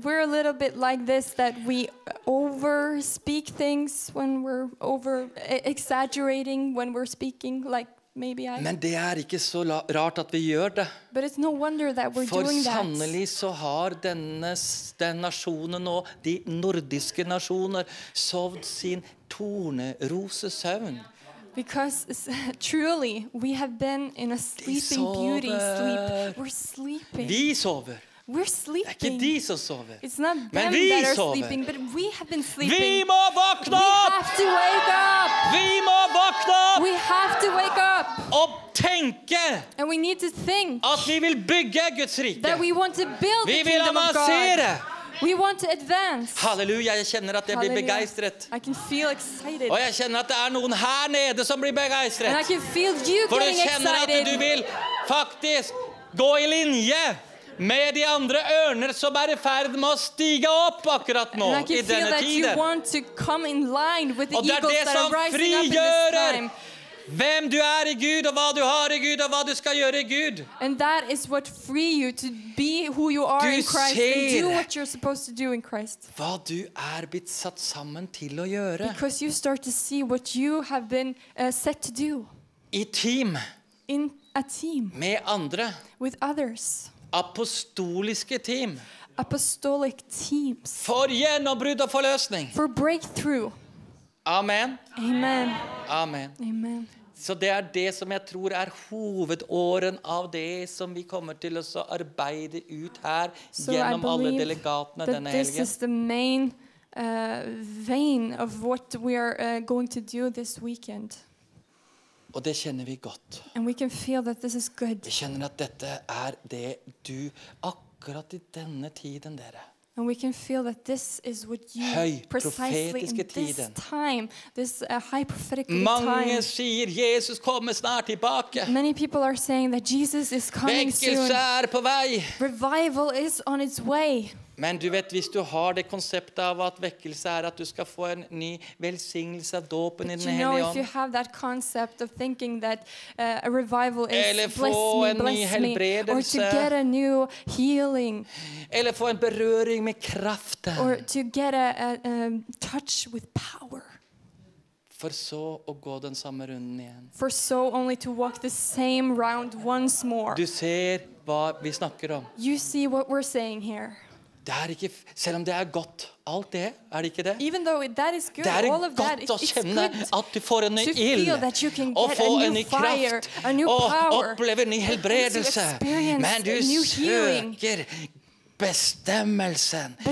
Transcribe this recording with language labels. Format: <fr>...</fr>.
<en>We're a little bit like this, that we overspeak things when we're over-exaggerating when we're speaking, like maybe I...</en> <no>Men det er ikke så rart at vi gjør det.</no> <en>But it's no wonder that we're</en> <no>for</no> <en>doing that.</en> <no>For sannelig så har den nasjonen og de nordiske nasjoner sovet sin tornerosesøvn.</no> <en>Because truly, we have been in a sleeping beauty sleep. We're sleeping.</en> <no>Vi sover.</no> <en>We're sleeping.</en> <no>Det er ikke de som sover.</no> <en>It's not them that are sleeping, but we have been sleeping.</en> <no>Vi må våkne opp!</no> <en>We have to wake up!</en> <no>Vi må våkne opp!</no> <en>We have to wake up!</en> <no>Og tenke!</no> <en>And we need to think.</en> <no>At vi vil bygge Guds rike.</no> <en>That we want to build</en> <no>vi</no> <en>the kingdom of God.</en> <no>Det.</no> <en>We want to advance.</en> <no>Halleluja, jeg kjenner at jeg blir begeistret.</no> <en>I can feel excited.</en> <no>Og jeg kjenner at det er noen her nede som blir begeistret.</no> <en>And I can feel you</en> <no>for</no> <en>getting excited.</en> <no>For du kjenner at du vil faktisk gå i linje med de andre ørner som er i ferd med å stige opp akkurat nå i denne tiden.</no> <en>And I can feel that you want to come in line with the eagles that are rising up in this time.</en> <no>Og det er det som frigjører hvem du er i Gud, og hva du har i Gud, og hva du skal gjøre i Gud.</no> <en>And that is what free you to be who you are</en> <no>du</no> <en>in Christ and do what you're supposed to do in Christ.</en> <no>Hva du er blitt satt sammen til å gjøre.</no> <en>Because you start to see what you have been set to do.</en> <no>I team.</no> <en>In a team.</en> <no>Med andre.</no> <en>With others.</en> <no>Apostoliske team.</no> <en>Apostolic teams.</en> <no>For gjennombrudd og forløsning.</no> <en>For breakthrough.</en> <no>Amen.</no> <en>Amen.</en> <no>Amen.</no> <en>Amen.</en> <no>Så det er det som jeg tror er hovedåren av det som vi kommer til å arbeide ut her</no> <en>so</en> <no>gjennom alle delegatene denne helgen.</no> <en>So I believe that this is the main vein of what we are going to do this weekend.</en> <no>Og det kjenner vi godt.</no> <en>And we can feel that this is good.</en> <no>Vi kjenner at dette er det du akkurat i denne tiden, dere.</no> <en>And we can feel that this is what you precisely in this time, this high prophetic</en> <no>time. Sier, Jesus kommer snart tilbake.</no> <en>Many people are saying that Jesus is coming</en> <no>soon. På vei.</no> <en>Revival is on its way.</en> <no>Men du vet, hvis du har det konseptet av at vekkelse at du skal få en ny velsignelse av dåpen</no> <en>but</en> <no>i den hellige ånd.</no> <en>If you have that concept of thinking that a revival is</en> <no>eller</no> <en>bless me, or to get a new healing.</en> <no>Eller få en berøring med kraften.</no> <en>Or to get a touch with power.</en> <no>For så å gå den samme runden igjen.</no> <en>For so only to walk the same round once more.</en> <no>Du ser hva vi snakker om.</no> <en>You see what we're saying here.</en> <no>Det er ikke, selv om det er godt, alt det, det ikke det?</no> <en>Even though that is good,</en> <no>det er</no> <en>all of</en> <no>godt</no> <en>that,</en> <no>å kjenne at du får en ny ild, og få en ny</no> <en>fire,</en> <no>kraft,</no> <en>power,</en> <no>og oppleve en ny helbredelse. Men du søker bestemmelsen.</no>